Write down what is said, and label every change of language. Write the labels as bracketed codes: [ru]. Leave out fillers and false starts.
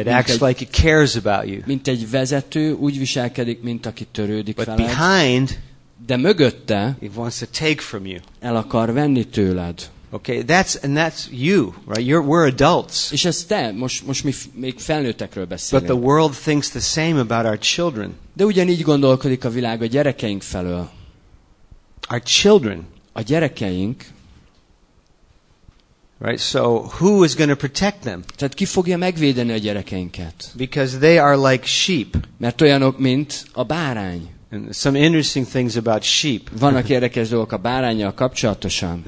[en] it acts like it cares about you. [hu] Mint egy vezető, úgy viselkedik, mint aki törődik [en] but [hu] veled. [en] Behind, [hu] de mögötte, [en] it wants to take from you. [hu] El akar venni tőled. [en] Okay, that's you, right? We're adults. [hu] És ez te, most mi még felnőttekről beszélünk. [en] But the world thinks the same about our children. [hu] De ugyanígy gondolkodik a világ a gyerekeink felől. [en] Our children, [hu] a gyerekeink. [en] Right, so who is going to protect them? [hu] Tehát ki fogja megvédeni a gyerekeinket? [en] Because they are like sheep. [hu] Mert olyanok, mint a bárány. [en] And some interesting things about sheep. [hu] Vannak érdekes dolgok a bárányjal kapcsolatosan.